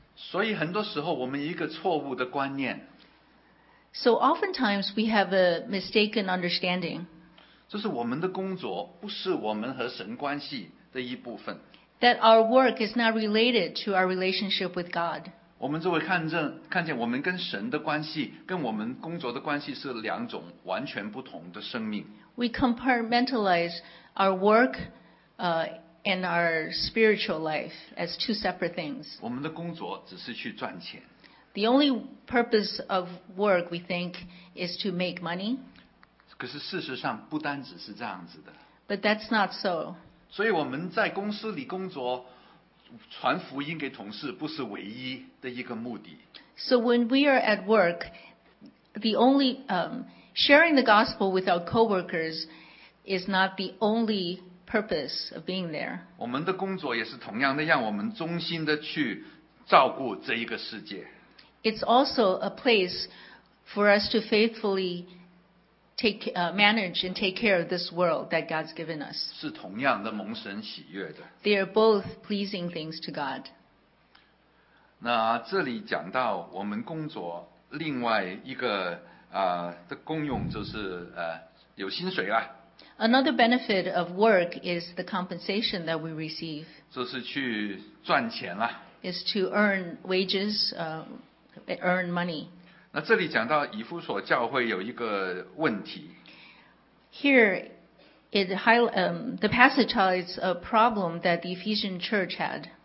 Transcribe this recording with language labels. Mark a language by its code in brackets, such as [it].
[zh] 所以很多时候我们一个错误的观念。 [en] So oftentimes we have a mistaken understanding. [zh] 这是我们的工作不是我们和神关系的一部分。 [en] That our work is not related to our relationship with God. [zh] 我们就会看见我们跟神的关系跟我们工作的关系是两种完全不同的生命。 [en] We compartmentalize our work, and our spiritual life as two separate things. [zh] 我们的工作只是去赚钱。 [en] The only purpose of work, we think, is to make money. [zh] 可是事实上不单只是这样子的。 [en] But that's not so. [zh] 所以我们在公司里工作，传福音给同事不是唯一的一个目的。 [en] So when we are at work, the only sharing the gospel with our coworkers is not the only purpose of being there. [zh] 我们的工作也是同样的，让我们忠心的去照顾这一个世界。 [en] It's also a place for us to faithfully manage and take care of this world that God's given us. [zh] 是同样的蒙神喜悦的。 [en] They are both pleasing things to God. [zh] 那这里讲到我们工作另外一个的功用就是有薪水啊。 [en] Another benefit of work is the compensation that we receive. [zh] 就是去赚钱啦。 [en] Is to earn wages, earn money. [zh] 那这里讲到以弗所教会有一个问题。 [en] Here, the passage highlights a problem that the Ephesian church had.